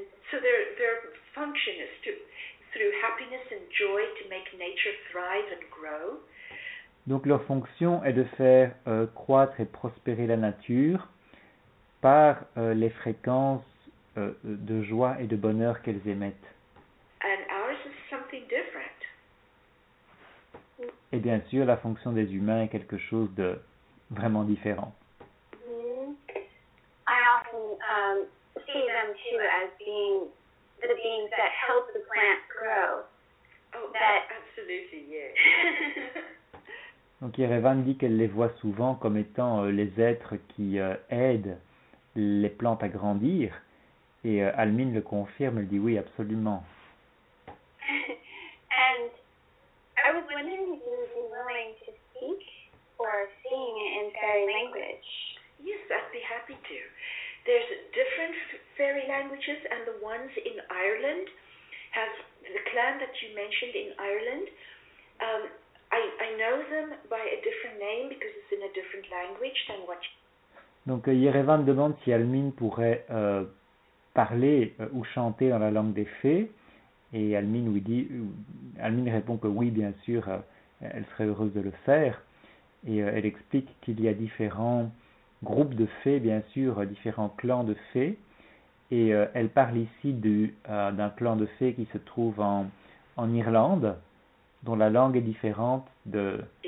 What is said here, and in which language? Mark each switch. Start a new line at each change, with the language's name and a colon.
English: So their function is to, through happiness and joy, to make nature thrive and grow.
French: Donc, leur fonction est de faire croître et prospérer la nature par les fréquences de joie et de bonheur qu'elles émettent.
English: And ours is something different.
French: Et bien sûr, la fonction des humains est quelque chose de vraiment différent.
English: Mm-hmm. I often see them too as being the beings that help the plant grow. Oh, that... absolutely, yes.
French: Donc, Yerevan dit qu'elle les voit souvent comme étant les êtres qui aident les plantes à grandir. Et Almin le confirme, elle dit oui, absolument.
English: And I was wondering if you would be willing to speak or sing in fairy language. Yes, I'd be happy to. There's different fairy languages, and the ones in Ireland have the clan that you mentioned in Ireland. I know them by a different name because it's in a different language than what.
French: Donc Yerevan demande si Almin pourrait parler ou chanter dans la langue des fées, et Almin lui dit, Almin répond que oui, bien sûr, elle serait heureuse de le faire, et elle explique qu'il y a différents groupes de fées, bien sûr, différents clans de fées, et elle parle ici d'un clan de fées qui se trouve en Irlande, dont la langue est différente de.